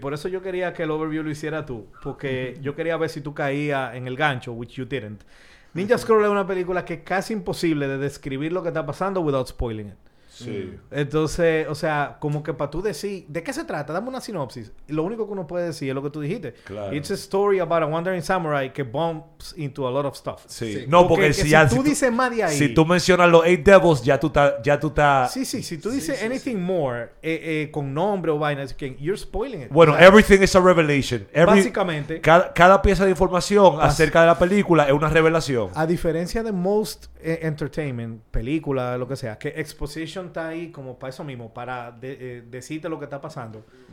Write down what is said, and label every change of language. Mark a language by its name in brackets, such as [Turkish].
[Spanish] Por eso yo quería que el overview lo hiciera tú. Porque yo quería ver si tú caías en el gancho, [English] which you didn't. [Spanish] Ninja Scroll es una película que es casi imposible de describir lo que está pasando [English] without spoiling it. [Spanish] Sí. Entonces, o sea, como que para tú decir, ¿de qué se trata? Dame una sinopsis. Lo único que uno puede decir es lo que tú dijiste. Claro. [English] It's a story about a wandering samurai [Spanish] que [English] bumps into a lot of stuff. [Spanish] Sí. No, porque si tú dices más de ahí. Si tú mencionas los Eight Devils, ya tú estás. Sí, sí. Si tú dices [English] anything more [Spanish] con nombre o vaina, [English] you're spoiling it. [Spanish] Bueno, ¿verdad? [English] Everything is a revelation. [Spanish] Básicamente. Cada pieza de información acerca de la película es una revelación. A diferencia de [English] most entertainment, [Spanish] película, lo que sea, que exposition está ahí como para eso mismo, para decirte lo que está pasando.